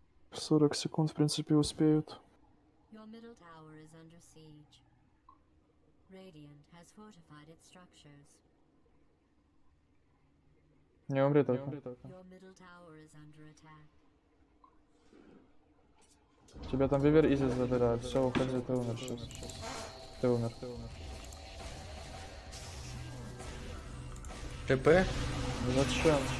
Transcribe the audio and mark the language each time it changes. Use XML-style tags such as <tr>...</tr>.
<ru>В 40 секунд, в принципе, успеют.</ru> <en>Your middle tower is under siege. Radiant has fortified its structures.</en> <ru>Не умри только.</ru> <en>Your middle tower is under attack.</en> <ru>Тебя там вивер изи забирают. Все, уходи, ты умер сейчас. Ты умер. ТП? Зачем?</ru>